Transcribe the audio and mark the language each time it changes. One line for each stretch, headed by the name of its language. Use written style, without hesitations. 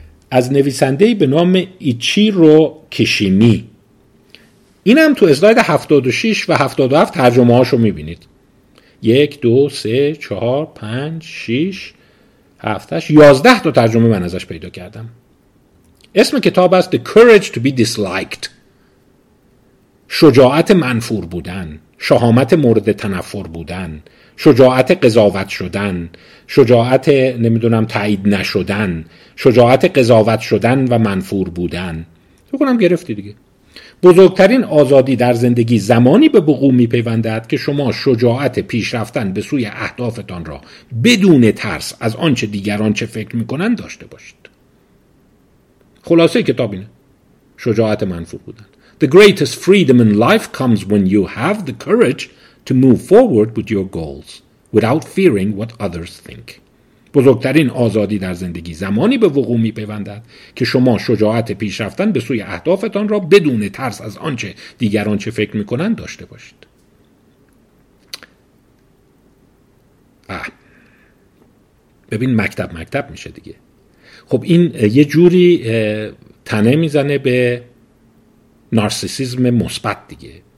Persian: از نویسندهی به نام ایچیرو کیشیمی. این هم تو اسلاید 76 و 77 ترجمه هاشو میبینید. 1, 2, 3, 4, 5, 6, 7, 8, 11 تا ترجمه من ازش پیدا کردم. اسم کتاب است
English: The Courage to be Disliked.
Persian: شجاعت منفور بودن، شهامت مورد تنفر بودن، شجاعت قضاوت شدن، شجاعت نمیدونم تایید نشدن، شجاعت قضاوت شدن و منفور بودن. بگم گرفتی دیگه. بزرگترین آزادی در زندگی زمانی به وقوع می‌پیوندد که شما شجاعت پیشرفتن به سوی اهدافتان را بدون ترس از آنچه دیگران چه فکر می‌کنند داشته باشید. خلاصه کتاب اینه. شجاعت منفور بودن.
English: The greatest freedom in life comes when you have the courage to move forward with your goals without fearing what others think.
Persian: بزرگترین آزادی در زندگی زمانی به وقوع می‌پیوندد که شما شجاعت پیشرفتن به سوی اهدافتان را بدون ترس از آنچه دیگران چه فکر می‌کنند داشته باشید. ببین مکتب مکتب میشه دیگه. خب این یه جوری تنه میزنه به نارسیسیزم مثبت دیگه.